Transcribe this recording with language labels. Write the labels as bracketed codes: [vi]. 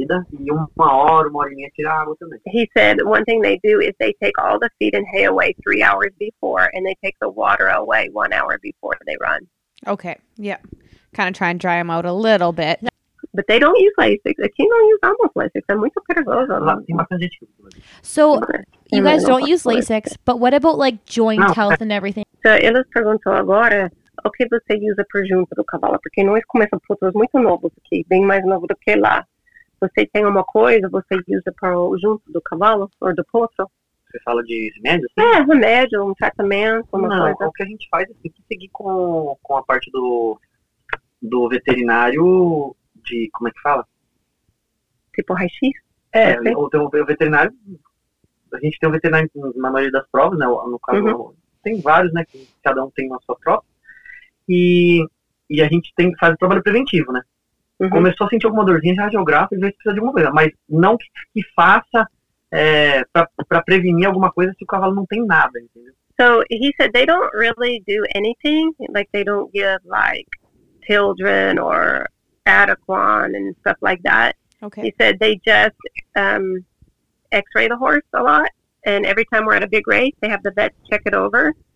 [en] He said, one thing they do is they take all the feed and hay away 3 hours before, and they take the water away 1 hour before they run. Okay, yeah. Kind of try and dry them out a little bit. But they don't use Lasix. [pt] Aqui não usamos Lasix. É muito perigoso. [en] So, you guys don't use Lasix, but what about, like, joint health and everything? [pt] So, eles perguntam agora, o que você usa para junto do cavalo? Porque nós começamos putos muito novos aqui, bem mais novo do que lá. Você tem uma coisa, você usa para junto do cavalo ou do potro? Você fala de remédio, assim? É, remédio, tratamento, uma coisa. Não, o que a gente faz é assim, que seguir com a parte do veterinário... De, como é que fala? Tipo raio-x? É, o veterinário, a gente tem um veterinário na maioria das provas, né? No caso, tem vários, né? Cada um tem uma sua prova. E a gente faz o trabalho preventivo, né? Uhum. Começou a sentir alguma dorzinha, já radiografa e vê se precisa de alguma coisa. Mas não que faça pra prevenir alguma coisa se o cavalo não tem nada, entendeu? [en] So, he said they don't really do anything. Like, they don't give, like, children or... Adequan and stuff like that. Okay. He said they just x-ray the horse a lot, and every time we're at a big race, they have the vet check it over.